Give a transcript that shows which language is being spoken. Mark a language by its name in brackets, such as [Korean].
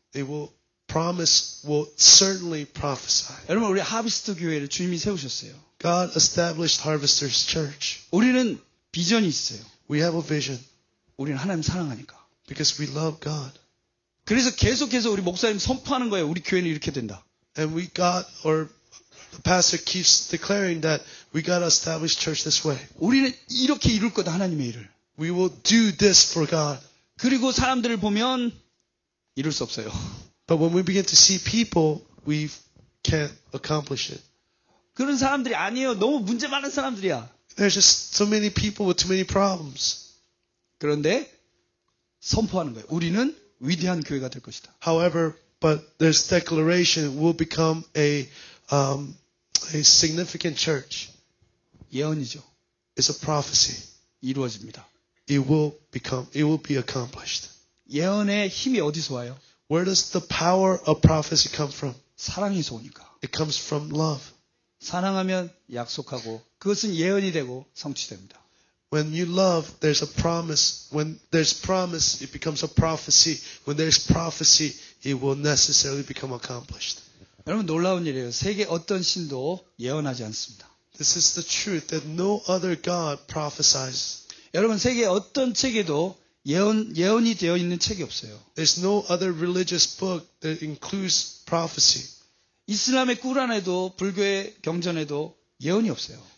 [English] They will promise will certainly prophesy. [Korean] 여러분 우리 하비스트 교회를 주님이 세우셨어요. [English] God established Harvester's Church. [Korean] 우리는 비전이 있어요. [English] We have a vision. [Korean] 우리는 하나님 사랑하니까. [English] Because we love God. [Korean] 그래서 계속해서 우리 목사님 선포하는 거예요. 우리 교회는 이렇게 된다. [English] And we got or the pastor keeps declaring that we got to establish church this way. [Korean] 우리는 이렇게 이룰 거다 하나님의 일을. [English] We will do this for God. [Korean] 그리고 사람들을 보면 이룰 수 없어요. [English] But when we begin to see people, we can't accomplish it. [Korean] 그런 사람들이 아니에요. 너무 문제 많은 사람들이야. [English] There's just so many people with too many problems. [Korean] 그런데 선포하는 거예요. 우리는 위대한 교회가 될 것이다. [English] However, but this declaration will become a significant church. [Korean] 예언이죠. [English] It's a prophecy. [Korean] 이루어집니다. [English] It will be accomplished. [Korean] 예언의 힘이 어디서 와요? [English] Where does the power of prophecy come from? [Korean] 사랑에서 오니까. [English] It comes from love. [Korean] 사랑하면 약속하고 그것은 예언이 되고 성취됩니다. [English] When you love, there's a promise. When there's promise, it becomes a prophecy. When there's prophecy, it will necessarily become accomplished. [Korean] 여러분 놀라운 일이에요. 세계 어떤 신도 예언하지 않습니다. [English] This is the truth that no other god prophesies. [Korean] 여러분 세계 어떤 책에도 예언이 되어 있는 책이 없어요. [English] There's no other religious book that includes prophecy. [Korean] 이슬람의 꾸란에도 불교의 경전에도 예언이 없어요.